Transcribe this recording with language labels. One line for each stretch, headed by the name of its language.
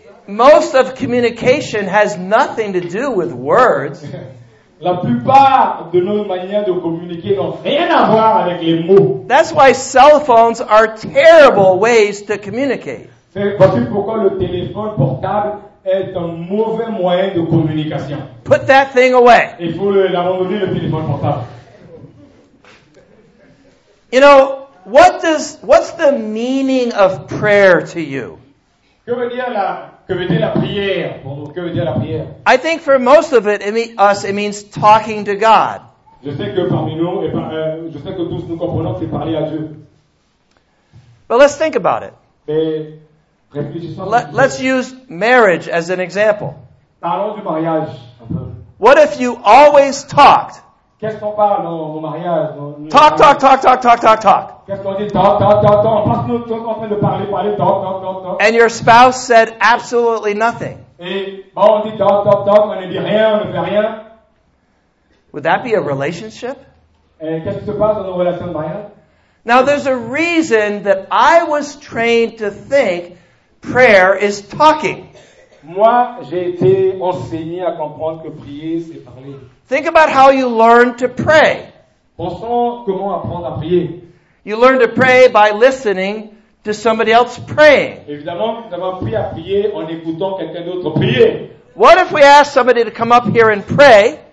English: Most of communication has nothing to do with words.
French: La plupart de nos manières de communiquer n'ont rien à voir avec les mots.
English: That's why cell phones are terrible ways to communicate.
French: Voici pourquoi le téléphone portable est un mauvais moyen de communication.
English: Put that thing away.
French: Il faut l'abandonner, le téléphone portable.
English: You know, what's the meaning of prayer to you?
French: Que veut dire la prière?
English: I think for most of it, it means talking to God.
French: Je sais que parmi nous, et par, je sais que tous nous comprenons que c'est parler à Dieu.
English: But let's think about it.
French: Mais
English: Let's use marriage as an example.
French: Parlons du mariage.
English: What if you always talked?
French: Qu'est-ce qu'on parle au mariage?
English: Talk.
French: Qu'est-ce qu'on dit?
English: Talk.
French: Parce que nous sommes en train de parler,
English: talk. And your spouse said absolutely nothing.
French: Et bon, on dit
English: talk,
French: on ne dit rien, on ne fait rien.
English: Would that be a relationship?
French: Et qu'est-ce qui se passe dans nos relations de mariage?
English: Now, there's a reason that I was trained to think prayer is talking.
French: Moi, j'ai été enseigné à comprendre que prier, c'est parler.
English: Think about how you learn to pray.
French: Pensons comment apprendre à prier.
English: You learn to pray by listening to somebody else praying.
French: Évidemment, nous avons appris à prier en écoutant quelqu'un d'autre prier.
English: What if we ask somebody to come up here and pray?